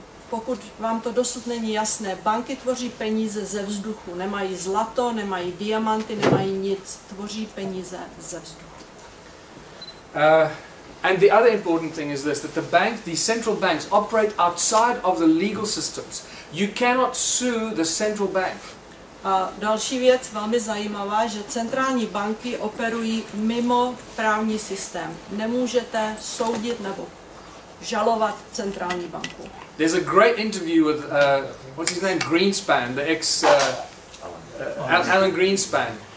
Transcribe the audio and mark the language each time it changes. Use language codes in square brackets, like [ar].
[cs] Pokud vám to dosud není jasné, banky tvoří peníze ze vzduchu. Nemají zlato, nemají diamanty, nemají nic. Tvoří peníze ze vzduchu. [en] And the other important thing is this, that the bank, the central banks operate outside of the legal systems. You cannot sue the central bank. [cs] A další věc velmi zajímavá, že centrální banky operují mimo právní systém. Nemůžete soudit nebo žalovat centrální banku. [en] There's a great interview with, what's his name, Greenspan, the ex, Alan Greenspan.